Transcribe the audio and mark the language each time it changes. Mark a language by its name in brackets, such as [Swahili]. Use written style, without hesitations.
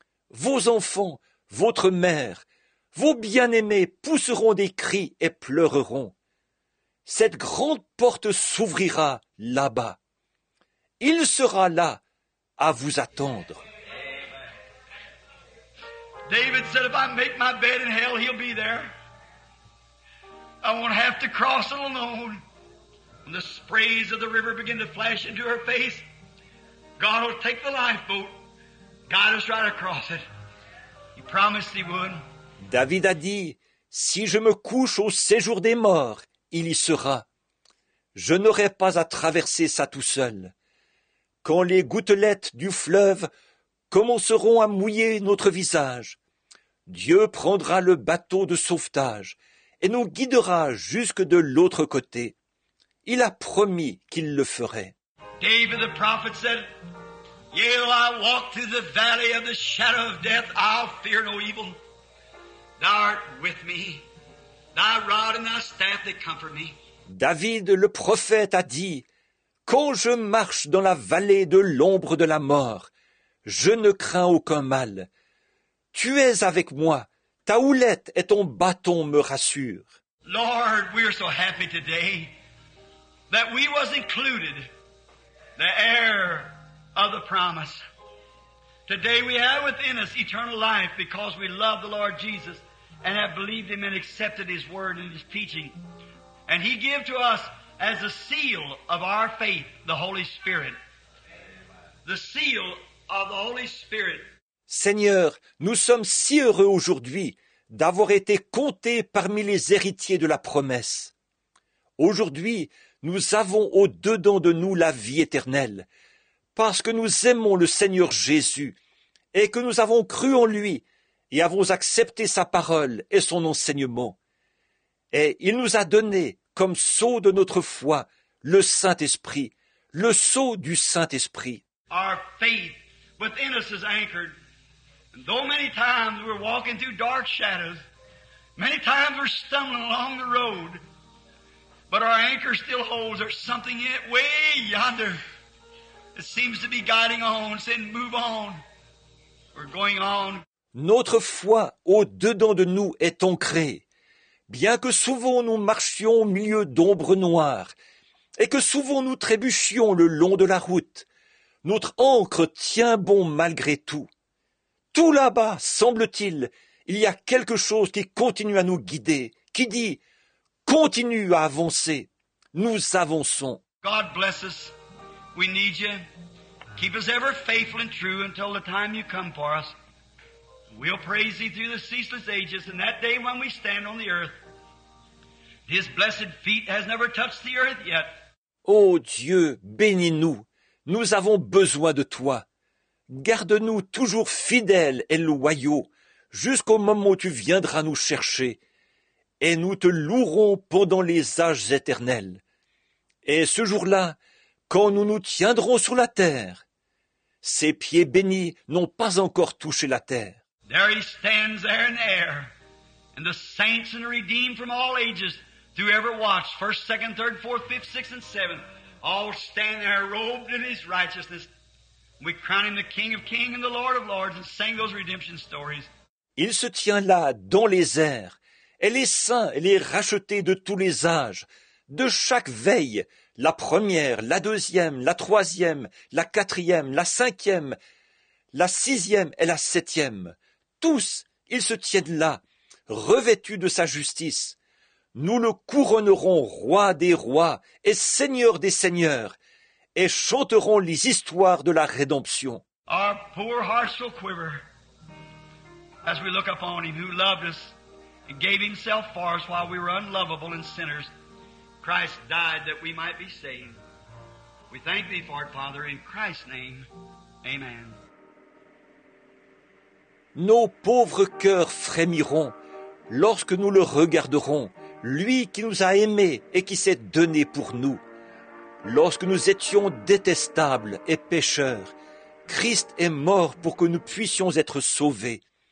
[French] Vos enfants, votre mère, vos bien-aimés pousseront des cris et pleureront. Cette grande porte s'ouvrira là-bas. Il sera là à vous attendre. [English] David said, if I make my bed in hell, he'll be there. I won't have to cross it alone. When the sprays of the river begin to flash into her face, God will take the lifeboat, guide us right across it. He promised he would. [French] David a dit, si je me couche au séjour des morts, il y sera. Je n'aurai pas à traverser ça tout seul. Quand les gouttelettes du fleuve commenceront à mouiller notre visage, Dieu prendra le bateau de sauvetage et nous guidera jusque de l'autre côté. Il a promis qu'il le ferait. [English] David, the prophet, said, yea, though I walk through the valley of the shadow of death, I'll fear no evil. Thou art with me. Thy rod and thy staff, they comfort me. [French] David, le prophète, a dit, quand je marche dans la vallée de l'ombre de la mort, je ne crains aucun mal. Tu es avec moi, ta houlette et ton bâton me rassurent. [English] Lord, we are so happy today that we was included, the heir of the promise. Today we have within us eternal life because we love the Lord Jesus and have believed him and accepted his word and his teaching. And he gave to us as a seal of our faith, the Holy Spirit. The seal of the Holy Spirit. [French] Seigneur, nous sommes si heureux aujourd'hui d'avoir été comptés parmi les héritiers de la promesse. Aujourd'hui, nous avons au-dedans de nous la vie éternelle, parce que nous aimons le Seigneur Jésus et que nous avons cru en lui et avons accepté sa parole et son enseignement. Et il nous a donné comme sceau de notre foi, le Saint-Esprit, le sceau du Saint-Esprit. [English] Our faith within us is anchored. And though many times we're walking through dark shadows, many times we're stumbling along the road, but our anchor still holds. There's something in it way yonder that seems to be guiding on, saying, move on. We're going on. [French] Notre foi au-dedans de nous est ancrée. Bien que souvent nous marchions au milieu d'ombres noires, et que souvent nous trébuchions le long de la route. Notre ancre tient bon malgré tout. Tout là-bas, semble-t-il, il y a quelque chose qui continue à nous guider, qui dit « Continue à avancer, nous avançons. » [English] God bless us. We need you. Keep us ever faithful and true until the time you come for us. We'll praise thee through the ceaseless ages, and that day when we stand on the earth, his blessed feet has never touched the earth yet. [French] Ô Dieu, bénis-nous. Nous avons besoin de toi. Garde-nous toujours fidèles et loyaux jusqu'au moment où tu viendras nous chercher. Et nous te louerons pendant les âges éternels. Et ce jour-là, quand nous nous tiendrons sur la terre, ses pieds bénis n'ont pas encore touché la terre. [English] There he stands there in the air, and the saints and the redeemed from all ages through every watch, first, second, third, fourth, fifth, sixth, and seventh, all stand there robed in his righteousness. We crown him the King of kings and the Lord of lords and sing those redemption stories. [French] Il se tient là dans les airs, et les saints et les rachetés de tous les âges, de chaque veille, la première, la deuxième, la troisième, la quatrième, la cinquième, la sixième et la septième. Tous, ils se tiennent là, revêtus de sa justice. Nous le couronnerons roi des rois et seigneur des seigneurs et chanterons les histoires de la rédemption. [English] Our poor hearts will quiver as we look upon him who loved us and gave himself for us while we were unlovable and sinners. Christ died that we might be saved. We thank thee for it, Father, in Christ's name. Amen. [French] Nos pauvres cœurs frémiront lorsque nous le regarderons, lui qui nous a aimés et qui s'est donné pour nous. Lorsque nous étions détestables et pécheurs, Christ est mort pour que nous puissions être sauvés.